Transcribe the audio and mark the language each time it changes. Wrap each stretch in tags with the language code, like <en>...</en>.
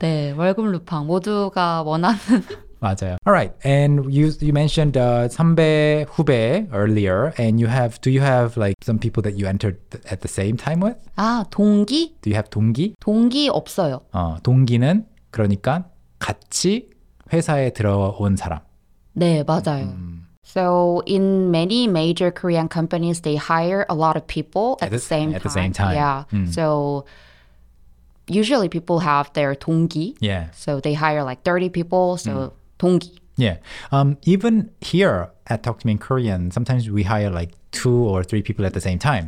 <ko>네, 월급 루팡 모두가 원하는. 맞아요.</ko> <en>All right, and you mentioned 선배 후배 earlier, and you have do you have like some people that you entered at the same time with?</en> <ko>아 동기?</ko> <en>Do you have 동기?</en> <ko>동기 없어요. 동기는 그러니까 같이 회사에 들어온 사람. 네, 맞아요.</ko> <en>So in many major Korean companies, they hire a lot of people at the same time. Yeah. Mm. So usually people have their 동기. Yeah. So they hire like 30 people. So 동기. Yeah. Even here at Talk to Me in Korean, sometimes we hire like two or three people at the same time.</en>